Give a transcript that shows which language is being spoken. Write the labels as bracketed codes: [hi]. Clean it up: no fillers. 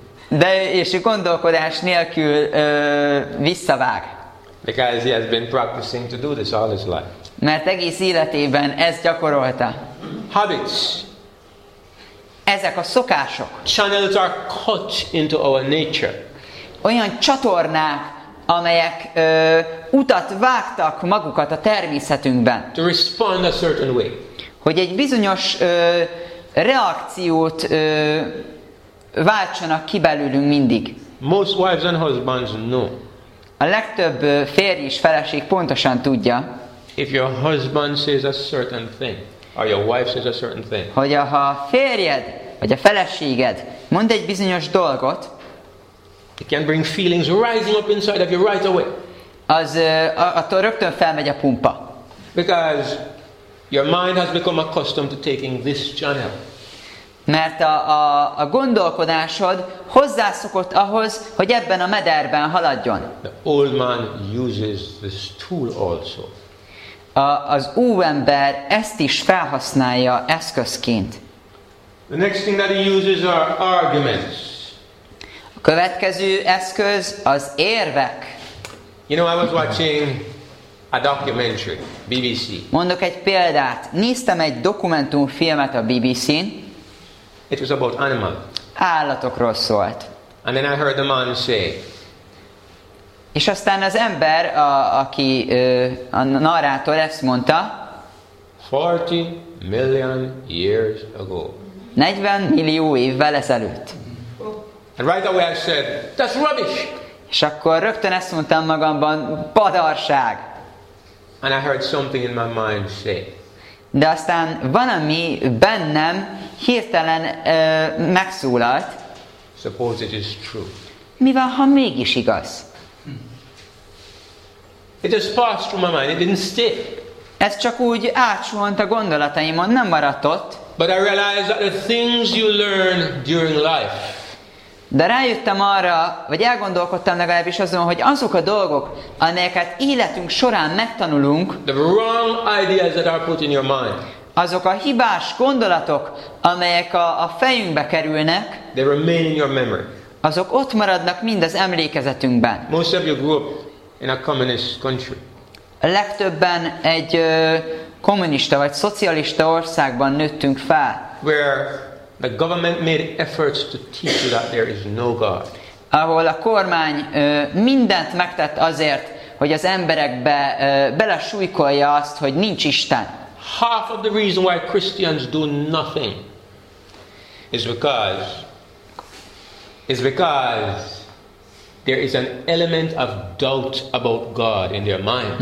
[hu] De és gondolkodás nélkül visszavág. [en] Because he has been practicing to do this all his life. [hu] Mert egész életében ezt gyakorolta. [en] Habits. [hu] Ezek a szokások. [en] Channels are cut into our nature. [hu] Olyan csatornák, amelyek utat vágtak magukat a természetünkben. [en] To respond a certain way. [hu] Hogy egy bizonyos reakciót váltsanak ki belőlünk mindig. [en] Most wives and husbands know. [hu] A legtöbb férj és feleség pontosan tudja. [en] If your husband says a certain thing, or your wife says a certain thing. [hu] Hogy ha a férjed vagy a feleséged mond egy bizonyos dolgot, [en] it can bring feelings rising up inside of you right away. [hu] Az attól rögtön felmegy a pumpa. [en] Because your mind has become accustomed to taking this channel. [hu] Mert a gondolkodásod hozzászokott ahhoz, hogy ebben a mederben haladjon. [en] The old man uses this tool also. [hu] Az új ember ezt is felhasználja eszközként. [en] The next thing that he uses are arguments. [hu] A következő eszköz az érvek. [en] You know, I was watching a documentary, BBC. [hu] Mondok egy példát. Néztem egy dokumentumfilmet a BBC-n. [en] It was about animals. [hu] Állatokról szólt. [en] And then I heard the man say. [hu] És aztán az ember, aki a narrátor ezt mondta. [en] 40 million years ago. [hu] 40 millió évvel ezelőtt. [en] And right away I said, that's rubbish. [hu] És akkor rögtön ezt mondtam magamban, badarság. [en] And I heard something in my mind say. [hu] De aztán valami bennem hirtelen megszólalt. [en] Suppose it is true. [hu] Mivel ha mégis igaz? [en] It just passed through my mind. It didn't stay. [hu] Ez csak úgy átsuhant a gondolataimon, nem maradt ott. [en] But I realized that the things you learn during life. [hu] De rájöttem arra, vagy elgondolkodtam legalábbis azon, hogy azok a dolgok, amelyeket életünk során megtanulunk, [en] the wrong ideas that are put in your mind, [hu] azok a hibás gondolatok, amelyek a fejünkbe kerülnek, [en] they remain in your memory. [hu] Azok ott maradnak mind az emlékezetünkben. [en] Most of you grew up in a communist country. [hu] Legtöbben egy kommunista vagy szocialista országban nőttünk fel. [en] Where the government made efforts to teach you that there is no God. [hu] Ahol a kormány mindent megtett azért, hogy az emberekbe belesújkolja azt, hogy nincs Isten. [en] Half of the reason why Christians do nothing is because there is an element of doubt about God in their minds.